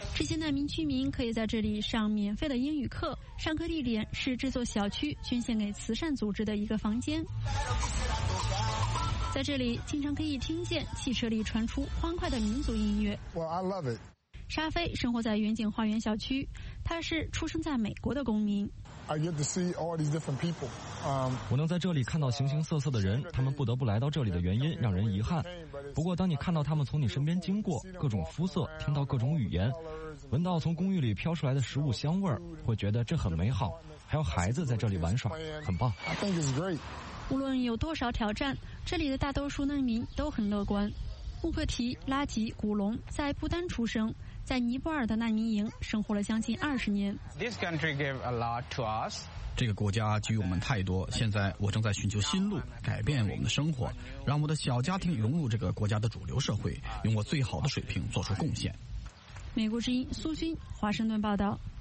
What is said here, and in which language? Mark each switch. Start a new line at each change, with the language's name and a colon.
Chinese: 这些难民居民可以在这里上免费的英语课，上课地点是这座小区捐献给慈善组织的一个房间。在这里经常可以听见汽车里传出欢快的民族音乐。
English: Well, I love it.
Chinese: 沙菲生活在远景花园小区，他是出生在美国的公民。
English: I get to see all these different people.
Chinese: 我能在这里看到形形色色的人，他们不得不来到这里的原因让人遗憾。不过当你看到他们从你身边经过，各种肤色，听到各种语言，闻到从公寓里飘出来的食物香味，会觉得这很美好。还有孩子在这里玩耍，很棒。
English: I think it's great。
Chinese: 无论有多少挑战，这里的大多数难民都很乐观。穆克提·拉吉·古隆在不丹出生，在尼泊尔的难民营生活了将近20年。
English: This country gave a lot to us。
Chinese: 这个国家给予我们太多，现在我正在寻求新路，改变我们的生活，让我的小家庭融入这个国家的主流社会，用我最好的水平做出贡献。美国之音苏军华盛顿报道。